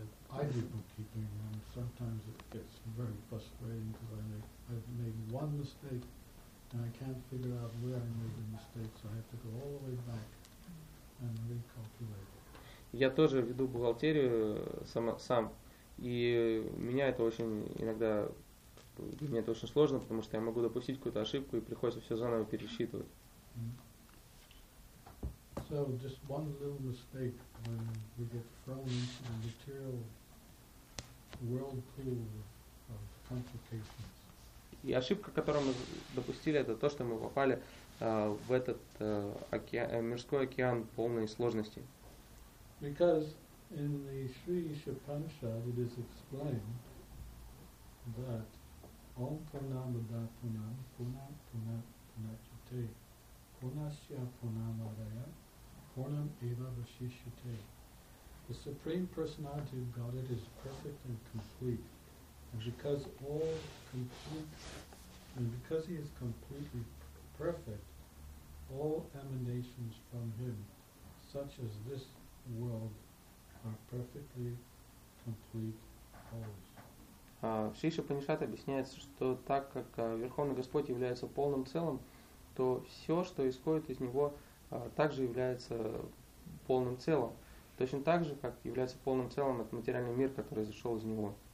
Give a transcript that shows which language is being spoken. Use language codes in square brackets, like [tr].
[en] I do bookkeeping, and sometimes it gets very frustrating because I've made one mistake, and I can't figure out where I made the mistake, so I have to go all the way back and recalculate. [ru] Я тоже веду бухгалтерию сам, и меня это очень иногда, мне это очень сложно, потому что я могу допустить какую-то ошибку, и приходится все заново пересчитывать. [en] So just one little mistake when we get thrown into the material whirlpool of complications. [ru] И ошибка, которую мы допустили, это то, что мы попали в этот мирской океан полный сложностей. [en] Because in the Sri Upanishad it is explained that [sa] Om Purnama Da Purnam Purnam Purnam Purnachate Purnasya Purnamadaya Purnam Eva Vashishyate. [en] The Supreme Personality of Godhead is perfect and complete. And because all complete, and because He is completely perfect, all emanations from Him, such as this world, are perfectly complete wholes. [ru] Шри Шупанишат объясняет, что так как Верховный Господь является полным целым, то все, что исходит из Него, также является полным целым. Точно так же, как является полным целым этот материальный мир, который изошел из него.